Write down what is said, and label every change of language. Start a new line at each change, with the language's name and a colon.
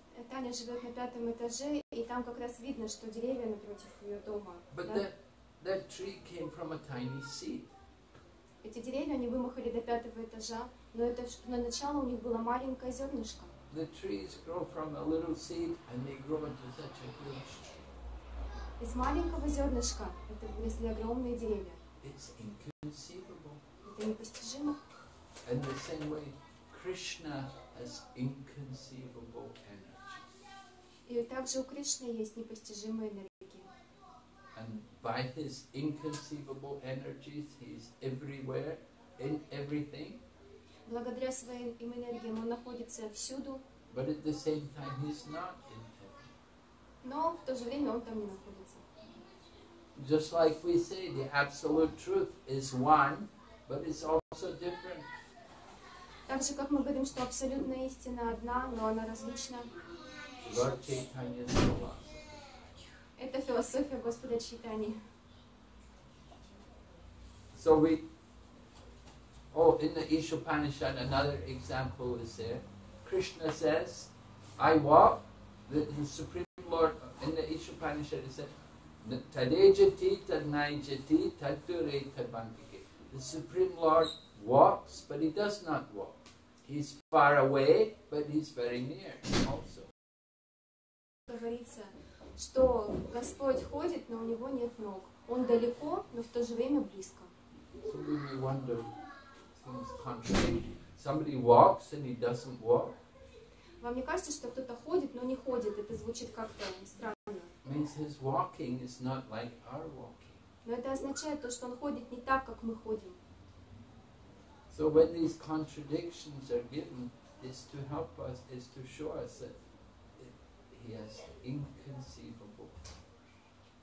Russian: Таня живет на пятом этаже, и там как раз видно, что деревья напротив ее дома.
English: But that tree came from a tiny seed.
Russian: Эти деревья они вымахали до пятого этажа, но на начало у них было маленькое зернышко.
English: The trees grow from a little seed and they grow into such a huge tree.
Russian: Из маленького зернышка это выросли огромные деревья.
English: It's inconceivable.
Russian: Это непостижимо.
English: In the same way, Krishna has inconceivable energy.
Russian: И также у Кришны есть непостижимые энергии.
English: And by his inconceivable energies, he is everywhere, in everything.
Russian: благодаря своим энергиям он находится всюду.
English: But at the same time he's not in heaven.
Russian: Но в то же время он там не находится.
English: Just like we say, the absolute truth is one, but it's also different.
Russian: Так же, как мы говорим, что абсолютная истина одна, но она различна.
English: Lord Chaitanya's philosophy.
Russian: Это философия Господа Чайтани.
English: So we, oh, in the Ishopanishad, another example is there. Krishna says, I walk, the Supreme Lord, in the Ishopanishad, he said,
Sanskrit: Tadejati tadnayajati tadture tadbandike.
English: The Supreme Lord walks, but he does not walk. He's far away, but he's very near also.
Russian: Говорится, что Господь ходит, но у него нет ног. Он далеко, но в то же время близко.
English: So we may wonder, things contrary. Somebody walks and he doesn't walk.
Russian: Вам не кажется, что кто-то ходит, но не ходит? Это звучит как-то странно.
English: Means his walking is not like our walking.
Russian: Но это означает то, что он ходит не так, как мы ходим.
English: So when these contradictions are given, it's to help us, it's to show us that he has inconceivable power.